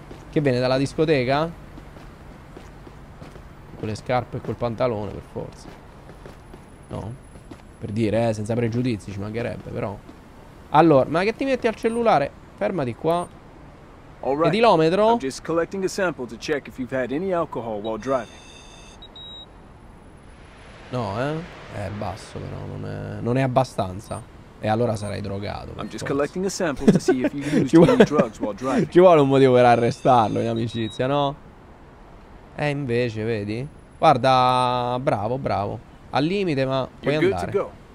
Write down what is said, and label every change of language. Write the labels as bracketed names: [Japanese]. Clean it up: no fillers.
[Italian] Che viene dalla discoteca? Con le scarpe e col pantalone, per forza. No? Per dire, senza pregiudizi, ci mancherebbe, però. Allora, ma che ti metti al cellulare? Fermati qua. Edilometro? [English] I'm just collecting a sample to check if you've had any alcohol while driving. [Italian] No, eh? È basso, però. Non è abbastanza. E allora sarai drogato. [English] I'm just collecting a sample to see if you use drugs while driving. [Italian] Ci vuole un motivo per arrestarlo in amicizia, no? E invece, vedi? Guarda, bravo, bravo. Al limite, ma puoi andare.